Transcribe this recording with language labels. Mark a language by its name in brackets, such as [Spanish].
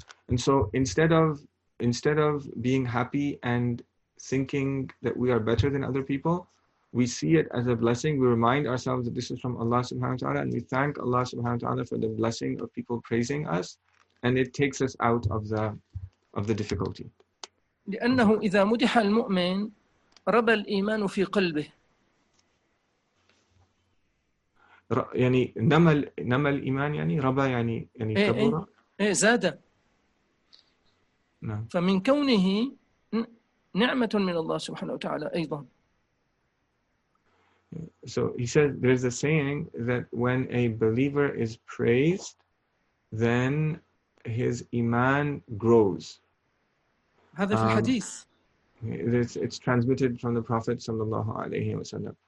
[English] And so instead of being happy and thinking that we are better than other people, we see it as a blessing. We remind ourselves that this is from Allah subhanahu wa ta'ala, and we thank Allah subhanahu wa ta'ala for the blessing of people praising us, and it takes us out of the difficulty. [Arabic] لأنه إذا مدح المؤمن ربى الإيمان في قلبه. يعني نمى الإيمان يعني ربى يعني كبر. إيه زاد. فمن كونه نعمة من الله سبحانه وتعالى أيضا. [English] So he said there's a saying that when a believer is praised, then his iman grows. [Arabic] هذا في الحديث. [English] It's transmitted from the Prophet [Arabic] صلى الله عليه وسلم.